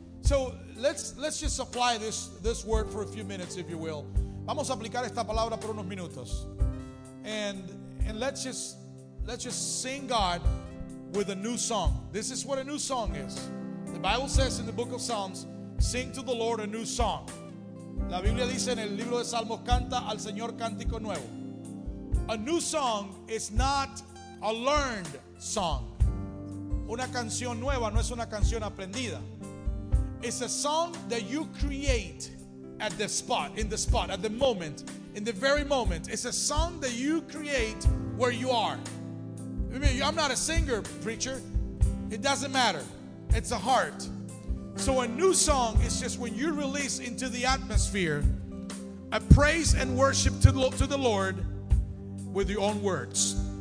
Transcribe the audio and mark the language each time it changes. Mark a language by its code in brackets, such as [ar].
[en] So let's just apply this word for a few minutes, if you will. [es] Vamos a aplicar esta palabra por unos minutos. [en] And let's just sing God with a new song. This is what a new song is. The Bible says in the book of Psalms, sing to the Lord a new song. [es] La Biblia dice en el libro de Salmos, canta al Señor cántico nuevo. [en] A new song is not a learned song. [es] Una canción nueva no es una canción aprendida. [en] It's a song that you create at the spot, in the spot, at the moment, in the very moment. It's a song that you create where you are. I mean, I'm not a singer, preacher. It doesn't matter. It's a heart. So a new song is just when you release into the atmosphere a praise and worship to the Lord with your own words.